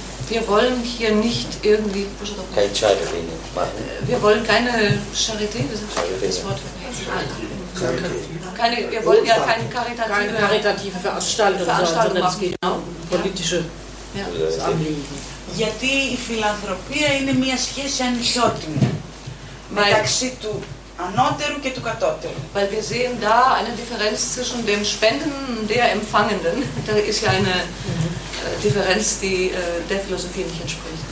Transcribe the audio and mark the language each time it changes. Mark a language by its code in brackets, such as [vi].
[de] Wir wollen hier nicht irgendwie. Keine Charité machen. Wir wollen keine Charité. Das ist das Wort. Keine, wir wollen ja keine karitative Veranstaltung machen. Sondern es geht um politische Anliegen. Weil die Philanthropie ist eine Beziehung [el] ανισότιμη μεταξύ του ανώτερου και του κατώτερου. [de] Weil wir sehen da eine Differenz zwischen dem Spenden und der Empfangenden. Da ist ja eine. Differenz, die der Philosophie nicht entspricht.